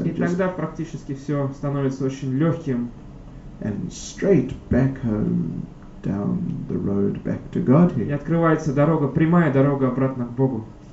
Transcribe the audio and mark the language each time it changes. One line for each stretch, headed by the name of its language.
Russian: И тогда практически все становится очень легким.
English: And straight back home, down the road back to Godhead.
Russian: И открывается дорога, прямая дорога обратно к Богу.